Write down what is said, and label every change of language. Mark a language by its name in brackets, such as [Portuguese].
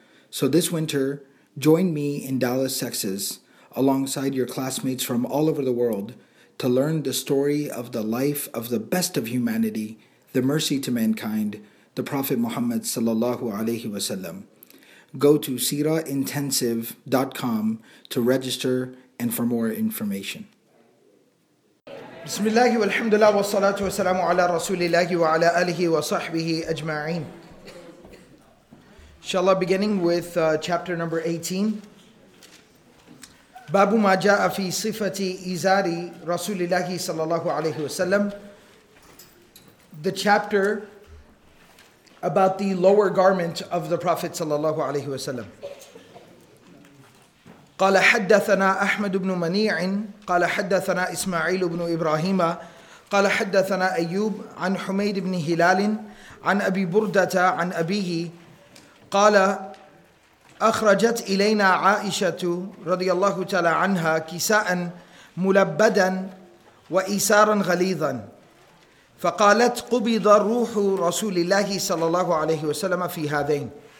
[English] So this winter, join me in Dallas, Texas, alongside your classmates from all over the world, to learn the story of the life of the best of humanity, the mercy to mankind, the Prophet Muhammad ﷺ. Go to siraintensive.com to register and for more information. [Arabic] بسم الله والحمد لله والصلاة والسلام على رسول الله وعلى آله وصحبه أجمعين. [English] Inshallah, beginning with chapter number 18. [Arabic] باب ما جاء في صفة إزار رسول الله صلى الله عليه وسلم. [English] The chapter about the lower garment of the Prophet صلى الله عليه وسلم. [Arabic] قال حدثنا أحمد بن منيع قال حدثنا إسماعيل بن إبراهيم قال حدثنا أيوب عن حميد بن هلال عن أبي بردة عن أبيه قال أخرجت إلينا عائشة رضي الله تعالى عنها كساء ملبدا وإسارا غليظا فقالت قبض روح رسول الله صلى الله عليه وسلم في هذين.